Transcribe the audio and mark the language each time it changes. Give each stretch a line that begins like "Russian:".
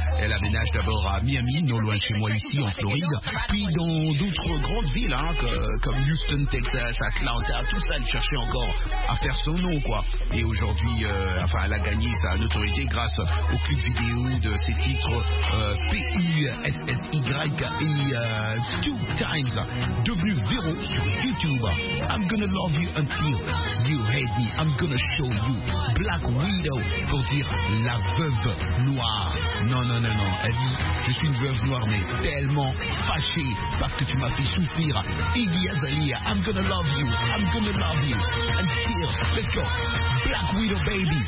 French: Elle aménage d'abord à Miami, non loin de chez moi ici en Floride, puis dans d'autres grandes villes, hein, comme Houston, Texas, Atlanta, tout ça, elle cherchait encore à faire son nom, quoi. Et aujourd'hui, elle a gagné sa notoriété grâce aux clips vidéo de ses titres P-U-S-S-Y et Two Times, devenu zéro sur YouTube.
English: I'm gonna love you until you hate me. I'm gonna show you Black Widow,
French: pour dire la veuve noire. Non, elle dit, je suis une veuve noire, mais tellement fâchée parce que tu m'as fait souffrir.
English: Iggy Azalea, I'm gonna love you, I'm gonna love you. And here, let's go, Black Widow baby.